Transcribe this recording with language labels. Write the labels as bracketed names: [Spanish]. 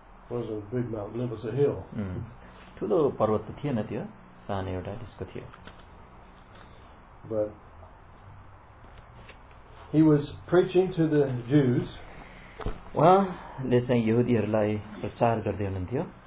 [English] was a big mountain, it was a hill. [Nepali] ठुलो पर्वत थियो न त्यो सानो एउटा त्यसको थियो. [English] But he was preaching to the Jews. [Nepali] उहाँले चाहिँ यहुदीहरूलाई प्रचार गर्दै हुनुहुन्थ्यो.